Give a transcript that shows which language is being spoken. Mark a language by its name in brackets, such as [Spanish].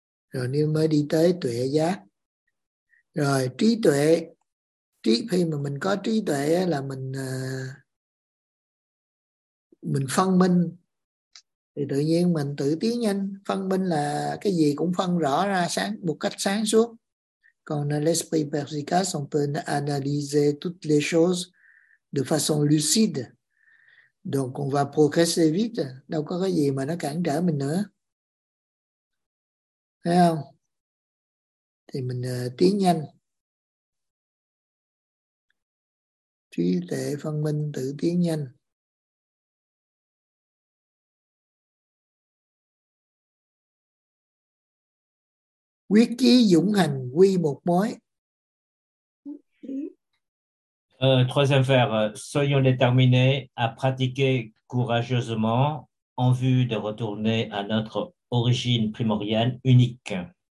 [Vietnamese] Rồi nếu mới đi tới tuệ giác. Rồi trí tuệ. Khi mà mình có trí tuệ là mình phân minh, thì tự nhiên mình tự tiến nhanh. Phân minh là cái gì cũng phân rõ ra sáng một cách sáng suốt. Còn [French] l'esprit perspicace, on peut analyser toutes les choses de façon lucide. Donc on va progresser vite. [Vietnamese] Đâu có cái gì mà nó cản trở mình nữa. Thấy không? Thì mình tiến nhanh. Trí tuệ phân minh tự tiến nhanh. Quyết chí dũng hành quy một mối. [French] Troisième vers, soyons déterminés à pratiquer courageusement en vue de retourner à notre origine primordiale unique.